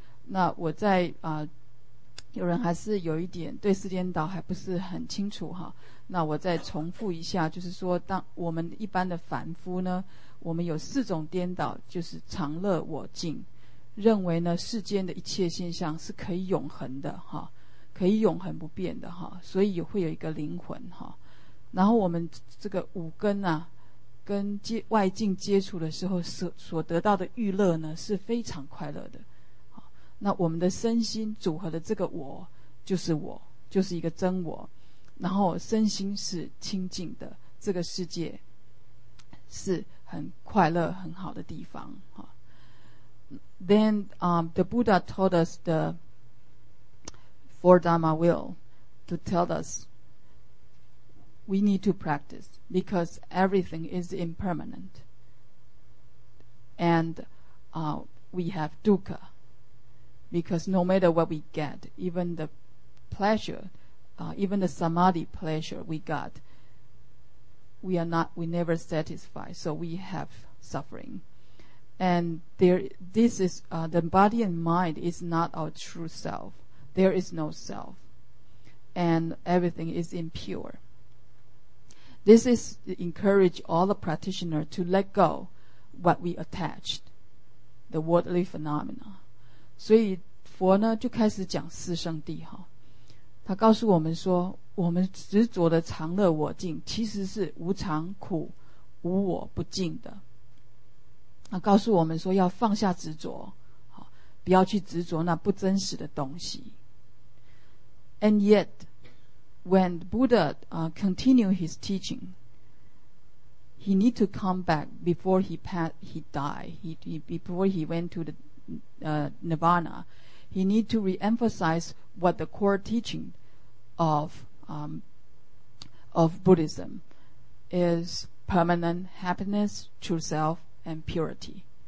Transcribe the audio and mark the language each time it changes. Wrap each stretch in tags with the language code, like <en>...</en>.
<zh>那我在有人还是有一点对四颠倒还不是很清楚哈，那我再重复一下，就是说当我们一般的凡夫呢，我们有四种颠倒，就是常乐我净，认为呢世间的一切现象是可以永恒的哈，可以永恒不变的哈，所以也会有一个灵魂哈，然后我们这个五根啊跟外境接触的时候所得到的欲乐呢是非常快乐的，那我们的身心组合的这个我就是我，就是一个真我，然后身心是清净的，这个世界是很快乐很好的地方。</zh> <en>Then the Buddha told us the four Dharma will to tell us we need to practice because everything is impermanent. and we have dukkha. Because no matter what we get, even the pleasure, even the samadhi pleasure we got, we never satisfied, so we have suffering. And the body and mind is not our true self. There is no self. And everything is impure. This is to encourage all the practitioners to let go what we attached, the worldly phenomena.</en> <zh>所以佛呢就开始讲四圣谛哈，他告诉我们说，我们执着的常乐我净，其实是无常苦无我不净的。他告诉我们说，要放下执着，好，不要去执着那不真实的东西。</zh> <en>And yet, when Buddha continued his teaching, he need to come back before he went to the Nirvana. He need to reemphasize what the core teaching of Buddhism is: permanent happiness, true self, and purity.</en>